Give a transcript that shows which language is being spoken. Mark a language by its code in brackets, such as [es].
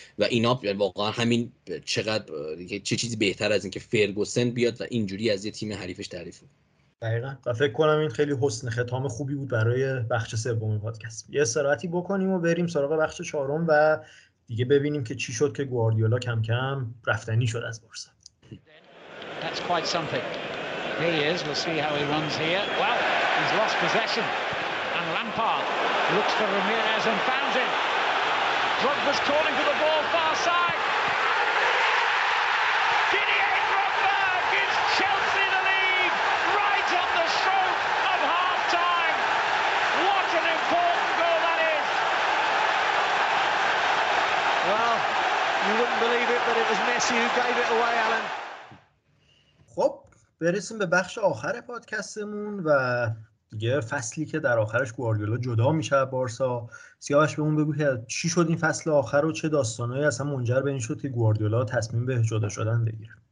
[fa] و اینا واقعا همین چقدر چه چیزی بهتر از این که فرگوسن بیاد و اینجوری از یه تیم حریفش تعریف کنه. دقیقاً. و فکر کنم این خیلی حسن ختام خوبی بود برای بخش سوم پادکست. یه استراحتی بکنیم و بریم سراغ بخش چهارم و دیگه ببینیم که چی شد که گواردیولا کم کم رفتنی شد از بارسا. [en] That's quite something. Here he is. We'll see how he runs here. Well, he's lost possession. And Lampard looks for Ramirez and found him. Drogba's calling for the ball far side. Didier Drogba gives Chelsea the lead right on the stroke of half time. What an important goal that is. Well, you wouldn't believe it, but it was Messi who gave it away, Alan. [fa] برسیم به بخش آخر پادکستمون و دیگه فصلی که در آخرش گواردیولا جدا میشه بارسا. سیاوش به اون بگو که چی شد این فصل آخر و چه داستانایی اصلا منجر به این شد که گواردیولا تصمیم به جدا شدن بگیره.